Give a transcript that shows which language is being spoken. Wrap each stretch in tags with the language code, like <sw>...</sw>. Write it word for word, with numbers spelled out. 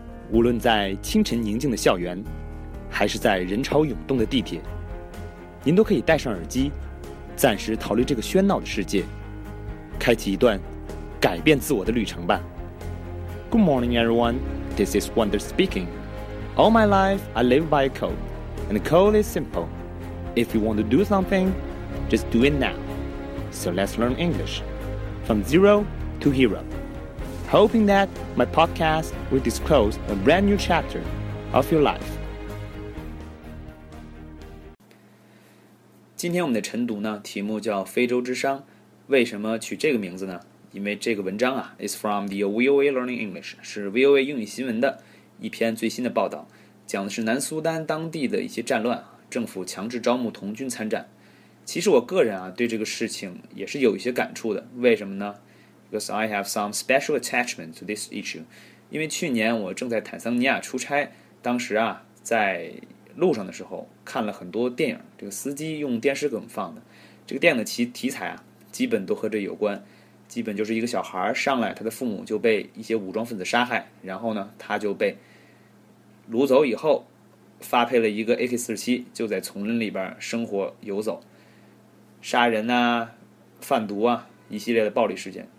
<zh>无论在清晨宁静的校园，还是在人潮涌动的地铁，您都可以戴上耳机，暂时逃离这个喧闹的世界，开启一段改变自我的旅程吧。</zh> <en>Good morning, everyone. This is Wonder speaking. All my life, I live by a code, and the code is simple. If you want to do something, just do it now. So let's learn English from zero to hero. Hoping that my podcast will disclose a brand new chapter of your life.</en> <zh>今天我们的晨读呢，题目叫非洲之殇。为什么取这个名字呢？因为这个文章啊</zh> <en>is from the V O A Learning English，</en> <zh>是 V O A 英语新闻的一篇最新的报道，讲的是南苏丹当地的一些战乱，政府强制招募童军参战。其实我个人啊，对这个事情也是有一些感触的。为什么呢？</zh> <en>Because I have some special attachment to this issue。</en> <zh>因为去年我正在坦桑尼亚出差，当时啊，在路上的时候看了很多电影，这个司机用电视梗放的，这个电影的其题材啊，基本都和这有关，基本就是一个小孩上来，他的父母就被一些武装分子杀害，然后呢，他就被掳走以后，发配了一个 A K 四十七， 就在丛林里边生活游走，杀人啊，贩毒啊，一系列的暴力事件。</zh>